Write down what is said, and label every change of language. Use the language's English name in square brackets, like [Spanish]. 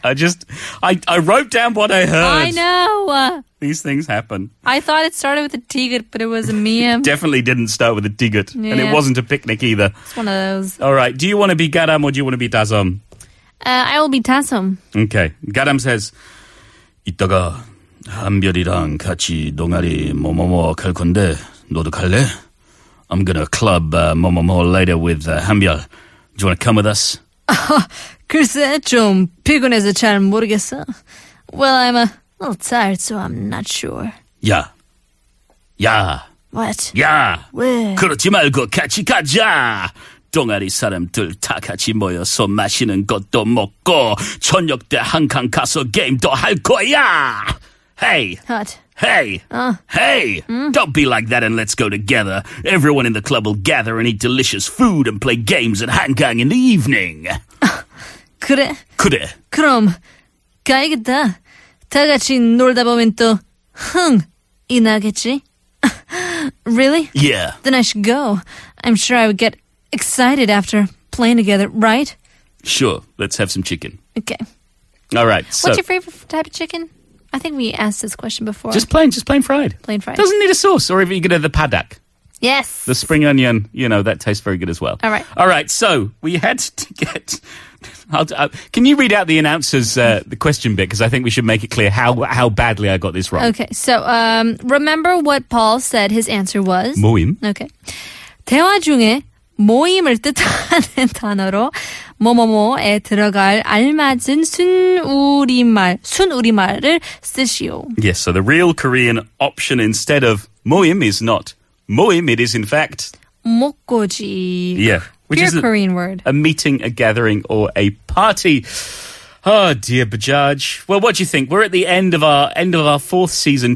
[English] I wrote down what I heard. I know. These things happen. I thought it started with a tigut, but it was a meme. It definitely didn't start with a tigut. Yeah. And it wasn't a picnic either. It's one of those. All right. Do you want to be Garam or do you want to be Tasom? I will be Tasom. Okay. Garam says, [Korean] 이따가 한별이랑 같이 동아리 뭐뭐뭐 갈 건데 너도 갈래? [English] I'm gonna club [Korean] 뭐뭐뭐 [English] later with 한별. Do you wanna come with us? [Korean] 글쎄 좀 피곤해서 잘 모르겠어. [English] Well, I'm a little tired, so I'm not sure. [Korean] 야. 야. [English] What? [Korean] 야. 왜? 그러지 말고 같이 가자. 동아리 사람들 다 같이 모여서 마시는 것도 먹고 저녁 때 한강 가서 게임도 할 거야. [English] Hey. What? Hey. Hey. Mm? Don't be like that and let's go together. Everyone in the club will gather and eat delicious food and play games at Hankang in the evening. [Korean] 그래? 그래. 그럼 가야겠다. 다 같이 놀다 보면 또 흥 이 나겠지? [English] Really? Yeah. Then I should go. I'm sure I would get excited after playing together, right? Sure. Let's have some chicken. Okay. All right. So, what's your favorite type of chicken? I think we asked this question before. Just plain fried. Plain fried. Doesn't need a sauce. Or even you could have the paddock. Yes. The spring onion, you know, that tastes very good as well. All right. All right. So we had to get... can you read out the announcer's the question bit? Because I think we should make it clear how badly I got this wrong. Okay. So remember what Paul said his answer was? [Korean] 모임. [English] Okay. [Korean] 대화 중에 모임을 뜻하는 단어로 뭐뭐뭐에 들어갈 알맞은 순우리말을 쓰시오. [English] Yes, so the real Korean option instead of 모임 is not 모임, it is in fact [Korean] 목고지. [English] Yeah, which pure is Korean word. A meeting, a gathering, or a party. Oh dear, Bajaj. Well, what do you think? We're at the end of our fourth season.